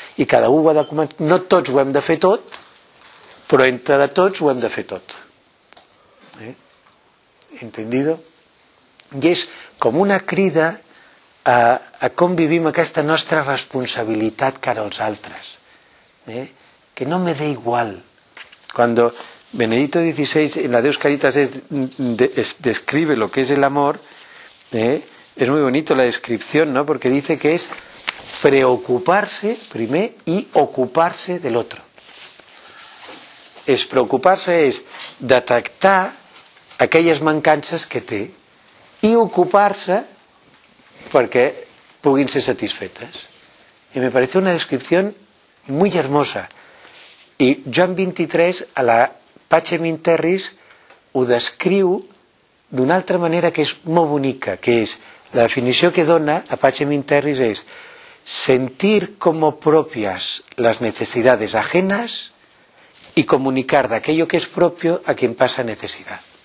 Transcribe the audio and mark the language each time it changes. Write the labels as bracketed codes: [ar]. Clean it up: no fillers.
[ca] I cada un ho ha de començar, no tots ho hem de fer tot, però entre de tots ho hem de fer tot. Entendido? I és com una crida a com vivim aquesta nostra responsabilitat cara als altres. [es] Que no me dé igual. Quan Benedicto XVI en la Deus Caritas describe lo que es el amor, es muy bonito la descripción, ¿no? Porque dice que es preocuparse primer y ocuparse del otro. Es preocuparse es [ca] detectar aquelles mancances que té i ocupar-se perquè puguin ser satisfetes. [es] I me parece una [ca] descripció molt [es] hermosa. [ca] I Joan XXIII, a la Pacem in Terris, ho descriu d'una altra manera que és molt bonica, que és la definició que dona a Pacem in Terris és sentir [es] como propias las necesidades ajenas y comunicar de aquello que es propio a quien pasa necesidad.